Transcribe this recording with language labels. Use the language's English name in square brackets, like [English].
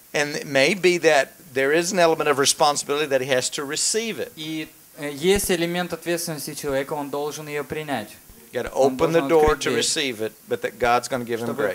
[English] And it may be that there is an element of responsibility that he has to receive it. [Russian] И есть элемент ответственности человека, он должен ее принять. [English] You got to open the door to receive it, but that God's going to give him grace.